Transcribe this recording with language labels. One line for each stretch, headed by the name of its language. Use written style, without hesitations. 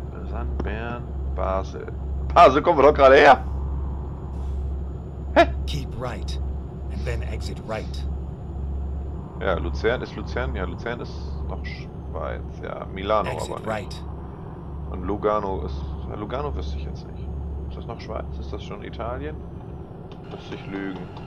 German: Sandbären, Basel. Basel kommen wir doch gerade her!
English: Keep right and then exit right.
German: Ja, Luzern ist Luzern. Ja, Luzern ist noch Schweiz. Ja, Milano
English: exit
German: aber nicht.
English: Right.
German: Und Lugano ist... Lugano wüsste ich jetzt nicht. Ist das noch Schweiz? Ist das schon Italien? Lass dich lügen.